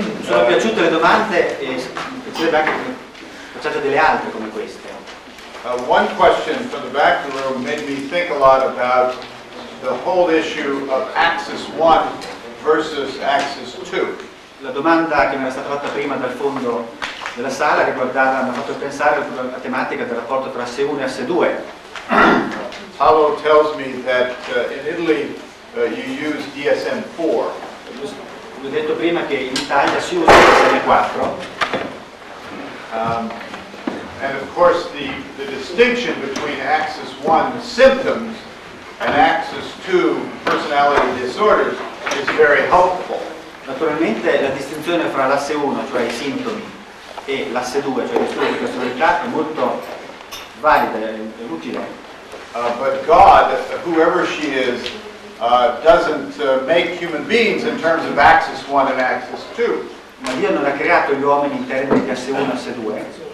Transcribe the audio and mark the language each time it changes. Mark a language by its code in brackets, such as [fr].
[it] Sono piaciute le domande e piacerebbe anche che facciate delle altre come queste. [en] One question from the back room made me think a lot about the whole issue of axis 1 versus axis 2. [it] La domanda che mi era stata fatta prima dal fondo della sala riguardava, mi ha fatto pensare alla tematica del rapporto tra asse 1 e asse 2. [en] Paolo tells me that in Italy you use DSM-4. [it] Vi ho detto prima che in Italia si usa DSM-4. [en] And of course the distinction between axis 1 symptoms and axis 2 personality disorders is very helpful. [it] Naturalmente la distinzione fra l'asse 1, cioè i sintomi, e l'asse 2, cioè le storie di personalità, è molto valida e utile. [en] But God, whoever she is, doesn't make human beings in terms of axis 1 and axis 2. [it] Ma Dio non ha creato gli uomini in termini di asse 1 e asse 2.